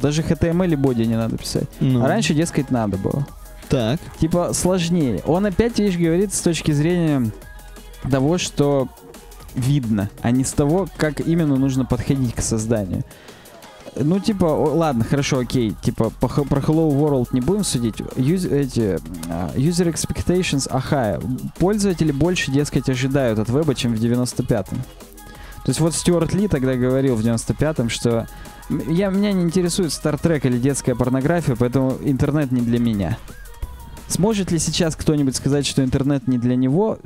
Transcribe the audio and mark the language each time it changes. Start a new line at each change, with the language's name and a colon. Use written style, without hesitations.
Russian: Даже HTML и body не надо писать. Ну. А раньше, дескать, надо было. Так. Типа сложнее. Он опять, видишь, говорит с точки зрения того, что видно, а не с того, как именно нужно подходить к созданию. Ну, типа, ладно, хорошо, окей. Типа, про Hello World не будем судить.
English: User expectations are high.
Russian: Пользователи больше, дескать, ожидают от веба, чем в 95-м. То есть вот Стюарт Ли тогда говорил в 95-м, что меня не интересует Star Trek или детская порнография, поэтому интернет не для меня. Сможет ли сейчас кто-нибудь сказать, что интернет не для него?